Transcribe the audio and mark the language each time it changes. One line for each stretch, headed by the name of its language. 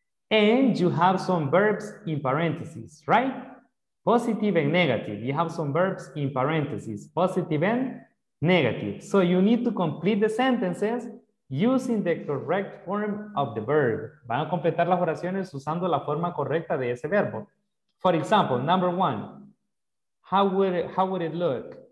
English: And you have some verbs in parentheses, right? Positive and negative. You have some verbs in parentheses, positive and negative. So you need to complete the sentences using the correct form of the verb.
Spanish: Van a completar las oraciones usando la forma correcta de ese verbo.
English: For example, number one, how would it look?